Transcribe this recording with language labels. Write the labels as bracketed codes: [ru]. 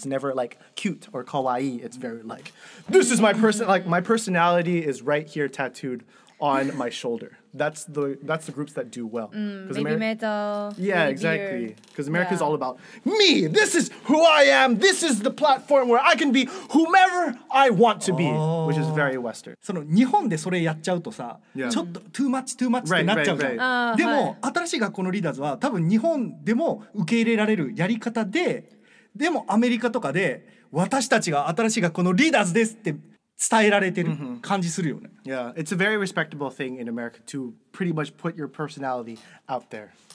[en] It's never like cute or kawaii. It's very like, this is my person, like my personality is right here tattooed on my shoulder. That's the groups that do well. Maybe metal. Yeah, exactly. Because America is all about me. This is who I am. This is the platform where I can be whomever I want to be, which is very Western. [ja] その日本でそれやっちゃうとさ、ちょっと [en] too much [ja] ってなっちゃうじゃん。でも新しい学校のリーダーズは多分日本でも受け入れられるやり方で、でもアメリカとかで私たちが新しい学校のリーダーズですって。伝えられてる感じするよね。 [en] Yeah, it's a very respectable thing in America to pretty much put your personality out there.